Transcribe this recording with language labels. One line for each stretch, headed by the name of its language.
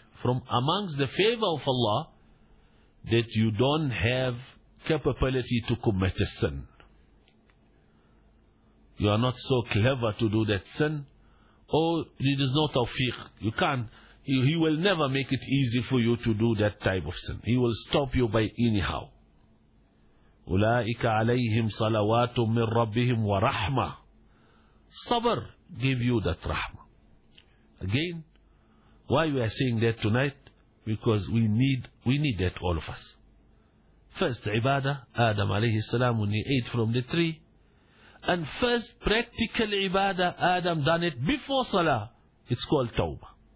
English: From amongst the favor of Allah, that you don't have capability to commit a sin. You are not so clever to do that sin. Or it is no tawfiq. You can't. He will never make it easy for you to do that type of sin. He will stop you by anyhow.
Arabic: أولئك عليهم صلوات من ربهم ورحمة.
English: صبر give you that rahmah. Again, why we are saying that tonight? Because we need that, all of us. First ibadah, Adam alayhi salam, when he ate from the tree. And first practical ibadah, Adam done it before salah. It's called tawbah.